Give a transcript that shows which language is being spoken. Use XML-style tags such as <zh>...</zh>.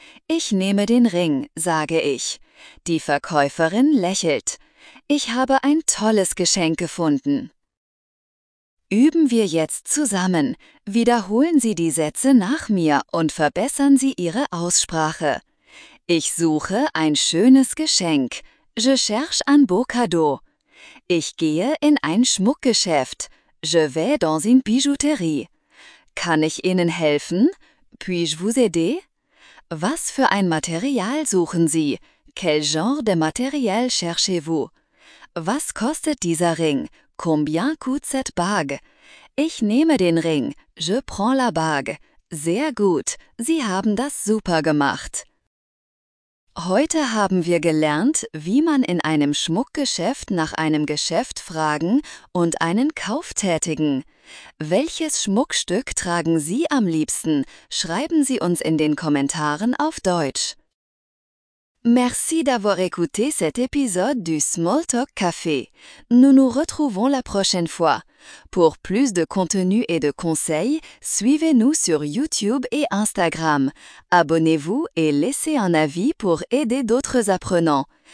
<de>Ich nehme den Ring, sage ich. Die Verkäuferin lächelt. Ich habe ein tolles Geschenk gefunden. Üben wir jetzt zusammen. Wiederholen Sie die Sätze nach mir und verbessern Sie Ihre Aussprache. Ich suche ein schönes Geschenk.</de> <fr>Je cherche un beau cadeau.</fr> <de>Ich gehe in ein Schmuckgeschäft.</de> <fr>Je vais dans une bijouterie.</fr> <de>Kann ich Ihnen helfen?</de> <fr>Puis-je vous aider?</fr> <de>Was für ein Material suchen Sie?</de> <fr>Quel genre de matériel cherchez-vous?</fr> <de>Was kostet dieser Ring?</de> <fr>Combien coûte cette bague?</fr> <de>Ich nehme den Ring.</de> <fr>Je prends la bague.</fr> <de>Sehr gut. Sie haben das super gemacht. Heute haben wir gelernt, wie man in einem Schmuckgeschäft nach einem Geschäft fragen und einen Kauf tätigen. Welches Schmuckstück tragen Sie am liebsten? Schreiben Sie uns in den Kommentaren auf Deutsch.</de> <fr>Merci d'avoir écouté cet épisode du Smalltalk Café. Nous nous retrouvons la prochaine fois. Pour plus de contenu et de conseils, suivez-nous sur YouTube et Instagram. Abonnez-vous et laissez un avis pour aider d'autres apprenants.</fr>